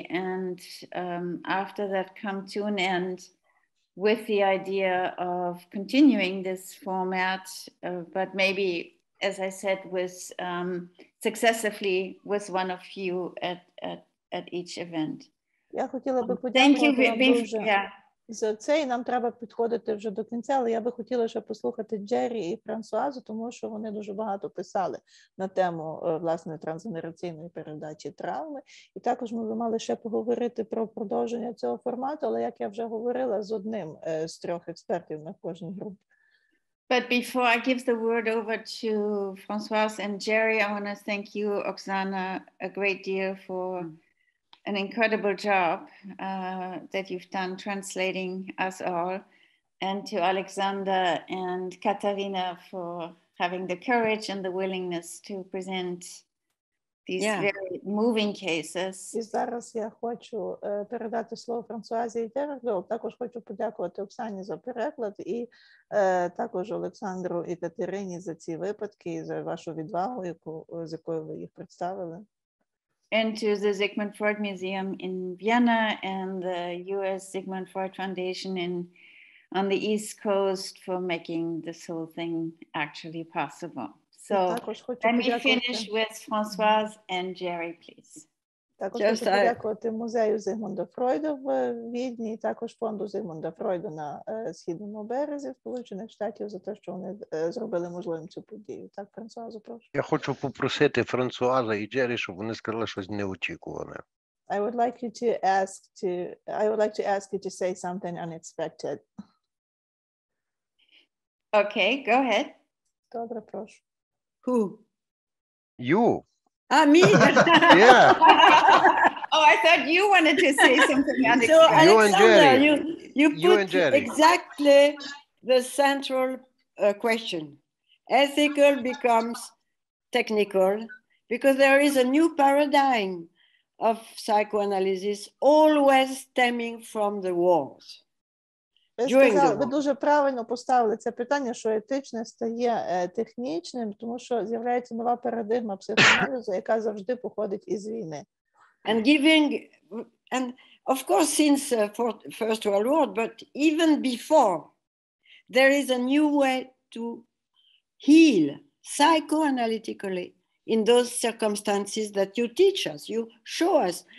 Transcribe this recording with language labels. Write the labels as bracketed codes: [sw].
[en] And after that, come to an end with the idea of continuing this format, but maybe, as I said, with successively with one of you at each event. [uk] Я хотіла би подякувати вам дуже за це, і нам треба підходити вже до кінця, але я би хотіла ще послухати Джері і Франсуазу, тому що вони дуже багато писали на тему, власне, трансгенераційної передачі травми. І також ми би мали ще поговорити про продовження цього формату, але, як я вже говорила, з одним з трьох експертів на кожній групі. [en] But before I give the word over to Françoise and Jerry, I want to thank you, Oksana, a great deal for an incredible job that you've done translating us all, and to Alexander and Katarina for having the courage and the willingness to present these very moving cases. [uk] І зараз я хочу передати слово Франсуазі і Дерго. Також хочу подякувати Оксані за переклад і також Олександру і Катерині за ці випадки і за вашу відвагу, з якою ви їх представили. [en] And to the Sigmund Freud Museum in Vienna and the US Sigmund Freud Foundation on the East Coast for making this whole thing actually possible. So let me finish with Françoise and Jerry, please. Just [uk] Музею Зигмунда Фройда на Східному березі Сполучених Штатів за те, що вони зробили можливим цю подію. Так, Франсуазу, прошу. Я хочу попросити Франсуаза і Джері, щоб вони сказали щось неочікуване. [en] I would like you to say something unexpected. Okay, go ahead. [uk] Добре, прошу. [en] Who? You. Me? Yeah. Oh, I thought you wanted to say something. So, you Alexander, and you put exactly the central question. Ethical becomes technical because there is a new paradigm of psychoanalysis always stemming from the wars. [uk] Ви дуже правильно поставили це питання, що етичне стає технічним, тому що з'являється нова парадигма психоаналізу, яка завжди походить із війни. [en] And giving, and of course since First World War, but even before, there is a new way to heal psychoanalytically in those circumstances that you teach us, you show us.